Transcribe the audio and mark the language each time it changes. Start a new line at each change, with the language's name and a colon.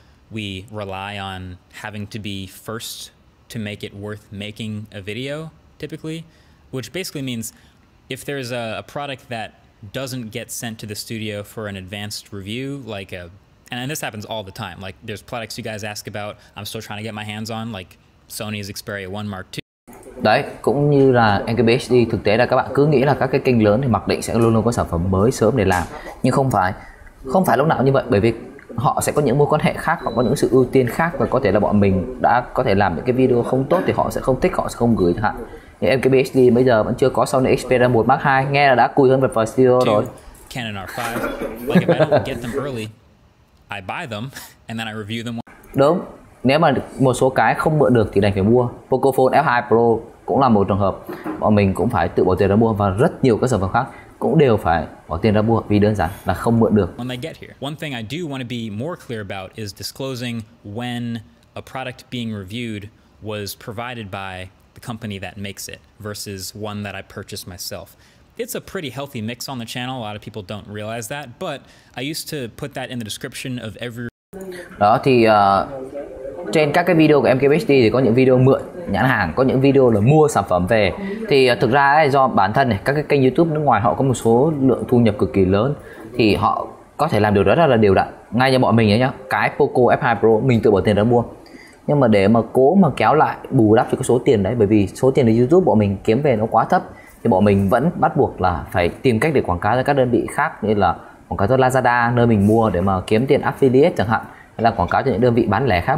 English: We rely on having to be first to make it worth making a video typically, which basically means if there's a product that doesn't get sent to the studio for an advanced review, like a and this happens all the time, like there's products you guys ask about I'm still trying to get my hands on, like Sony's Xperia 1 Mark 2.
Vietnamese: Đấy, cũng như là NKBHD, thực tế là các bạn cứ nghĩ là các cái kênh lớn thì mặc định sẽ luôn luôn có sản phẩm mới sớm để làm, nhưng không phải lúc nào như vậy, bởi vì họ sẽ có những mối quan hệ khác, họ có những sự ưu tiên khác, và có thể là bọn mình đã có thể làm những cái video không tốt thì họ sẽ không thích, họ sẽ không gửi hạn. Nhưng MKBHD bây giờ vẫn chưa có Sony Xperia 1 Mark 2, nghe là đã cùi hơn Vivo Studio rồi.
English: Canon R5. Like if I don't get them early, I buy them and then I review them.
Vietnamese: Đúng, nếu mà một số cái không mượn được thì đành phải mua. Pocophone F2 Pro cũng là một trường hợp bọn mình cũng phải tự bỏ tiền ra mua, và rất nhiều các sản phẩm khác cũng đều phải bỏ tiền ra mua vì đơn giản là không mượn được.
English: When they get here. One thing I do want to be more clear about is disclosing when a product being reviewed was provided by the company that makes it versus one that I purchased myself. It's a pretty healthy mix on the channel. A lot of people don't realize that, but I used to put that in the description of every.
Vietnamese: Đó thì trên các cái video của MKBHD thì có những video mượn nhãn hàng, có những video là mua sản phẩm về. Thì thực ra ấy, do bản thân này, các cái kênh YouTube nước ngoài họ có một số lượng thu nhập cực kỳ lớn thì họ có thể làm điều đó rất là đều đặn. Ngay như bọn mình ấy nhá, cái Poco F2 Pro mình tự bỏ tiền ra mua. Nhưng mà để mà cố mà kéo lại bù đắp cho cái số tiền đấy, bởi vì số tiền ở YouTube bọn mình kiếm về nó quá thấp, thì bọn mình vẫn bắt buộc là phải tìm cách để quảng cáo cho các đơn vị khác, như là quảng cáo cho Lazada nơi mình mua để mà kiếm tiền affiliate chẳng hạn, hay là quảng cáo cho những đơn vị bán lẻ khác.